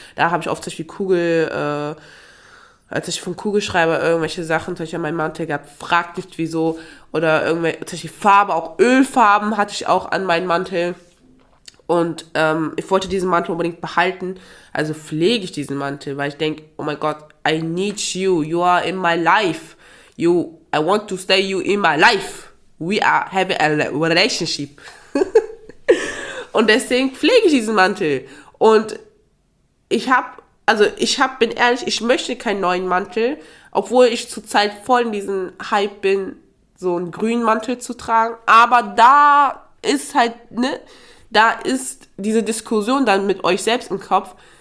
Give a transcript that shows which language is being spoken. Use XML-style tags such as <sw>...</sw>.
<de>Da habe ich oft zum Beispiel als ich vom Kugelschreiber irgendwelche Sachen, zum Beispiel an meinem Mantel gab, fragt nicht wieso, oder irgendwelche, zum Beispiel Farbe, auch Ölfarben hatte ich auch an meinem Mantel. Und ich wollte diesen Mantel unbedingt behalten, also pflege ich diesen Mantel, weil ich denke, oh mein Gott,</de> <en>I need you, you are in my life. I want to stay you in my life. We are having a relationship.</en> <de>Und deswegen pflege ich diesen Mantel. Und bin ehrlich, ich möchte keinen neuen Mantel, obwohl ich zurzeit voll in diesem Hype bin, so einen grünen Mantel zu tragen. Aber da ist halt, ne, da ist diese Diskussion dann mit euch selbst im Kopf.</de>